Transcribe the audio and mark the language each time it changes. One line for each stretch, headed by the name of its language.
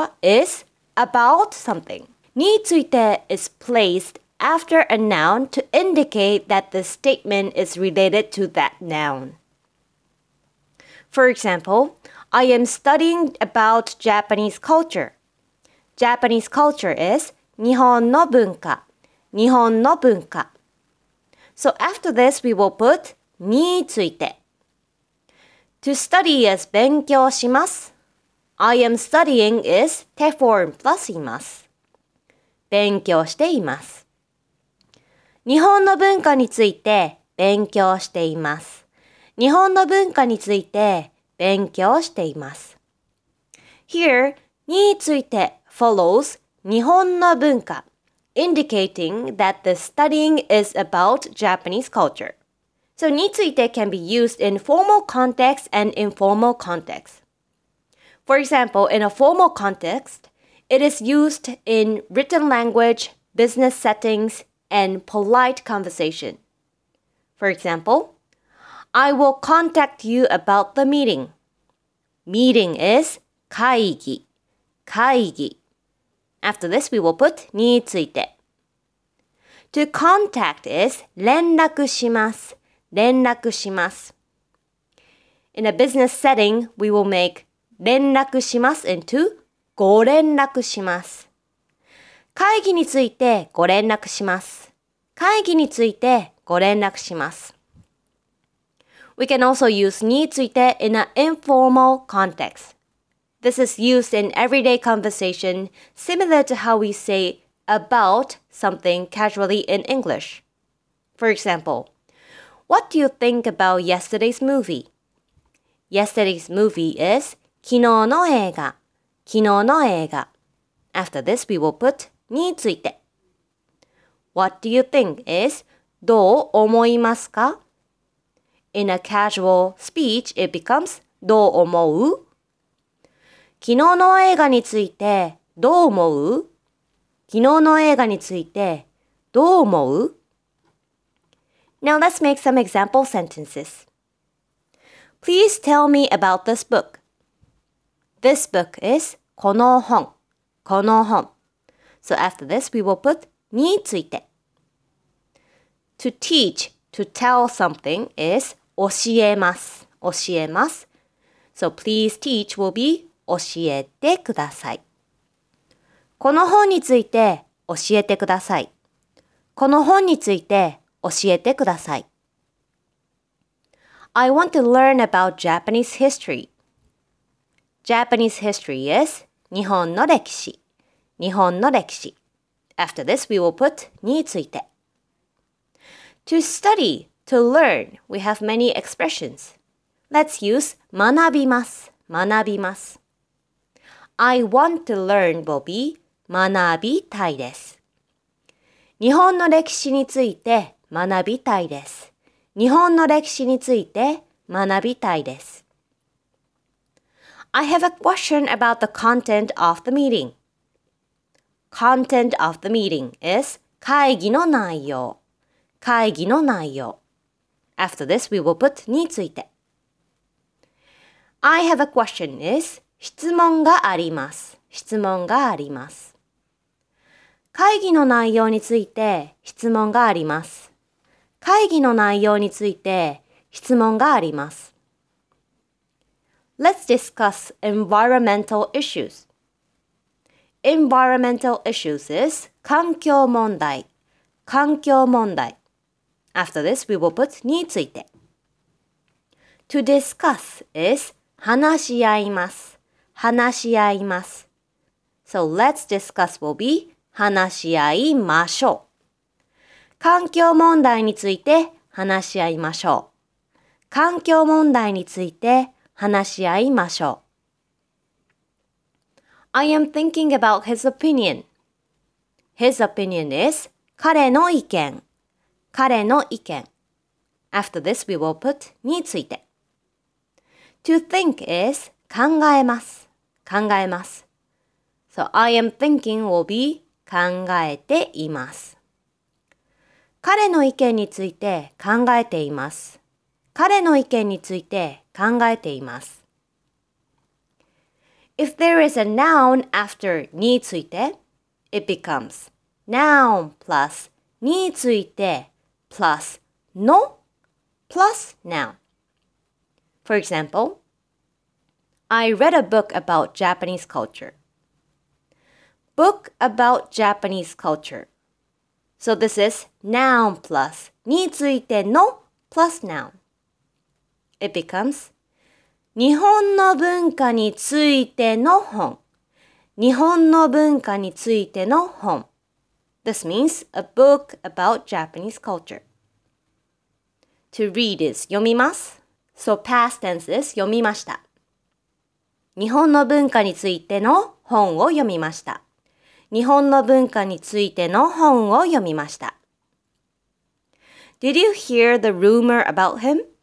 English: is about something. について is placed after a noun to indicate that the statement is related to that noun. For example, I am studying about Japanese culture. Japanese culture is
Japanese: 日本の文化日本の文化
English: So after this, we will putについて To study is
Japanese: 勉強します
English: I am studying is 手 form plus います
Japanese: 勉強しています日本の文化について勉強しています日本の文化について勉強しています
English: Here について follows 日本の文化 indicating that the studying is about Japanese cultureSo, について can be used in formal context and informal context. For example, in a formal context, it is used in written language, business settings, and polite conversation. For example, I will contact you about the meeting. Meeting is
Japanese: 会議会議
English: After this, we will put について. To contact is
Japanese: 連絡します連絡します。
English: In a business setting, we will make
Japanese: 連絡します
English: into
Japanese: ご連絡します。会議についてご連絡します。会議についてご連絡します。
English: We can also use について in an informal context. This is used in everyday conversation, similar to how we say about something casually in English. For example,What do you think about yesterday's movie? Yesterday's movie is
Japanese: 昨日の映画昨日の映画
English: After this, we will put について What do you think is
Japanese: どう思いますか?
English: In a casual speech, it becomes
Japanese: どう思う? 昨日の映画についてどう思う?昨日の映画についてどう思う?
English: Now let's make some example sentences. Please tell me about this book. This book is
Japanese: この本この本
English: So after this, we will put について. To teach, to tell something is
Japanese: 教えます教えます
English: So please teach will be
Japanese: 教えてください。この本について教えてください。この本について教えてください。
English: I want to learn about Japanese history. Japanese history is
Japanese: 日本の歴史。日本の歴史。
English: After this, we will put について。 To study, to learn, we have many expressions. Let's use 学びます。
Japanese: 学びます。
English: I want to learn will be
Japanese: 学びたいです。日本の歴史について学びたいです。日本の歴史について学びたいです。
English: I have a question about the content of the meeting. Content of the meeting is
Japanese: 会議の内容。会議の内容。
English: After this, we will put について。 I have a question is
Japanese: 質問があります。質問があります。会議の内容について質問があります。会議の内容について質問があります。
English: Let's discuss environmental issues. Environmental issues is
Japanese: 環境問題。環境問題。
English: After this, we will put について。 To discuss is
Japanese: 話し合います。話し合います。
English: So let's discuss will be
Japanese: 話し合いましょう。環境問題について話し合いましょう。環境問題について話し合いましょう。
English: I am thinking about his opinion. His opinion is
Japanese: 彼の意見。彼の意見。
English: After this, we will put について。 To think is
Japanese: 考えます。考えます。
English: So I am thinking will be
Japanese: 考えています。彼の意見について考えています。彼の意見について考えています。
English: If there is a noun after について, it becomes noun plus について plus の plus noun. For example, I read a book about Japanese culture. Book about Japanese culture. So this is noun plus についての plus noun. It becomes
Japanese: 日本の文化についての本。日本の文化についての本。
English: This means a book about Japanese culture. To read is
Japanese: 読みます。
English: So past tense is
Japanese: 読みました。日本の文化についての本を読みました。日本の文化についての本を読みました。
English: Did you hear the rumor about him?